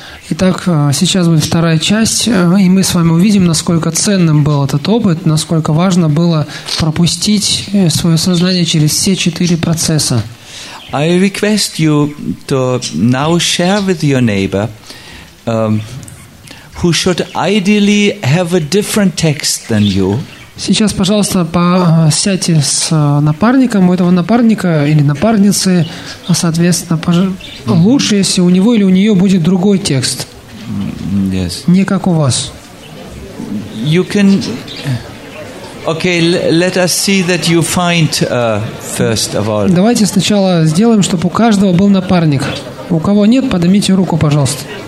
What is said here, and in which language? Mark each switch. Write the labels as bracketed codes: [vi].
[ru] Итак, сейчас будет вторая часть, и мы с вами увидим, насколько ценным был этот опыт, насколько важно было пропустить свое сознание через все 4 процесса. [en] I request you to now share with your neighbor, who should ideally have a different text than you. [ru] Сейчас, пожалуйста, сядьте с напарником, у этого напарника или напарницы, соответственно, лучше, если у него или у нее будет другой текст. [en] Yes. [ru] Не как у вас. [en] You can... Okay, let us see that you find first of all. [ru] Давайте сначала сделаем, чтобы у каждого был напарник. У кого нет, поднимите руку, пожалуйста.